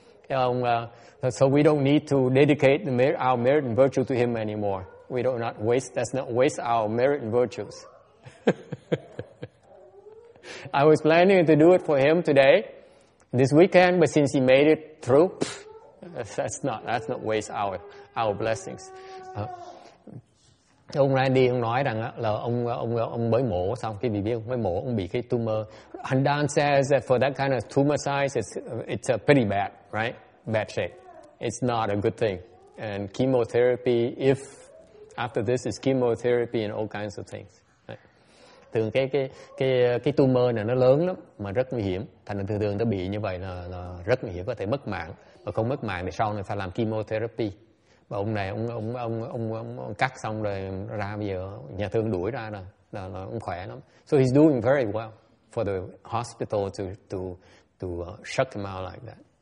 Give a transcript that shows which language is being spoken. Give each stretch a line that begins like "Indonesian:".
English: So we don't need to dedicate our merit and virtue to him anymore. Let's not waste our merit and virtues. I was planning to do it for him today, this weekend, but since he made it through, that's not waste our blessings.
Vietnamese: Ông Randy ông nói rằng là ông mới mổ xong cái biết mới mổ ông bị cái tumor.
English: And Dan says that for that kind of tumor size it's a pretty bad, right? Bad shape. It's not a good thing. And chemotherapy, if after this is chemotherapy and all kinds of things.
Vietnamese: Thường cái tumor này nó lớn lắm mà rất nguy hiểm. Thành ra thường nó bị như vậy là rất nguy hiểm, có thể mất mạng. Mà không mất mạng thì sau này phải làm chemotherapy. Và ông này ông cắt xong rồi ra, bây giờ nhà thương đuổi ra rồi, là ông khỏe lắm.
English: So he's doing very well for the hospital to shut him out like that.